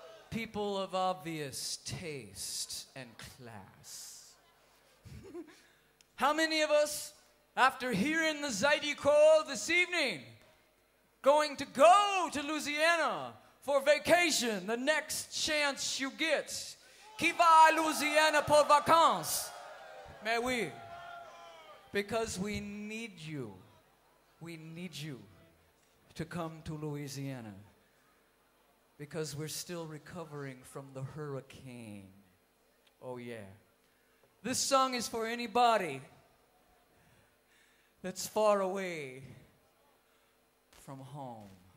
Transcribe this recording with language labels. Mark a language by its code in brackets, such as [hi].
[en] People of obvious taste and class. How many of us, after hearing the Zydecats this evening, going to go to Louisiana for vacation the next chance you get? [fr] Qui va à Louisiana pour vacances? Mais oui. [en] Because we need you. We need you to come to Louisiana. Because we're still recovering from the hurricane. Oh yeah. This song is for anybody that's far away from home.